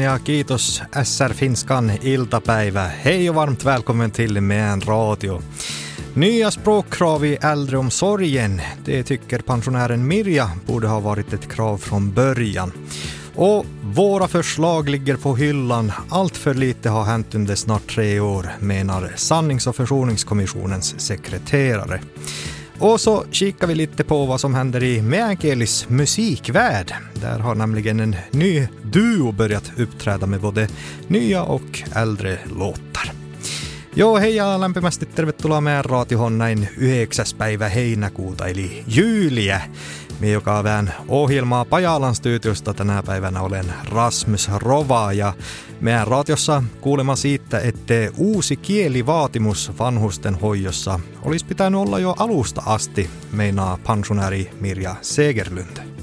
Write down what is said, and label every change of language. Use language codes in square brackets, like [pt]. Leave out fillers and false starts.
[fi] Ja, kiitos SR Finskan iltapäivä. [sv] Hej och varmt välkommen till Mäen Radio. Nya språkkrav i äldreomsorgen. Det tycker pensionären Mirja borde ha varit ett krav från början. Och våra förslag ligger på hyllan. Allt för lite har hänt under snart 3 år, menar Sannings- och försoningskommissionens sekreterare. Och så kikar vi lite på vad som händer i Meänkielis musikvärld. Där har nämligen en ny duo börjat uppträda med både nya och äldre låtar. [fit] Joo, hei ja lämpimästi tervetuloa meidän raatioon näin 9. päivä heinäkuuta, eli juulia. Me joka vähän ohjelmaa Pajalan studiosta tänä päivänä olen Rasmus Rova ja meidän raatiossa kuulema siitä, että uusi kielivaatimus vanhusten hoidossa olisi pitänyt olla jo alusta asti, meinaa pensionääri Mirja Segerlund.